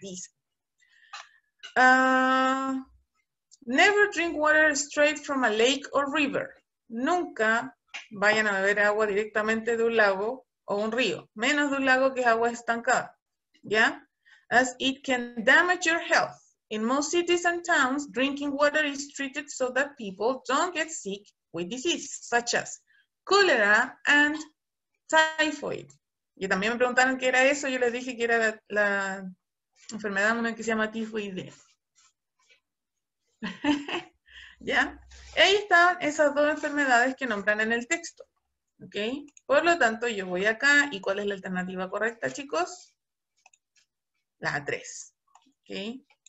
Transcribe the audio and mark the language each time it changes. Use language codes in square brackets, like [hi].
[en] Dice, never drink water straight from a lake or river. [es] Nunca vayan a beber agua directamente de un lago o un río, menos de un lago que es agua estancada, ¿ya? [en] as it can damage your health. In most cities and towns, drinking water is treated so that people don't get sick with diseases such as cholera and typhoid. [es] Y también me preguntaron qué era eso, yo les dije que era la enfermedad una que se llama tifoidea. ¿Ya? Ahí están esas dos enfermedades que nombran en el texto. ¿Ok? Por lo tanto, yo voy acá. ¿Y cuál es la alternativa correcta, chicos? La 3. ¿Ok?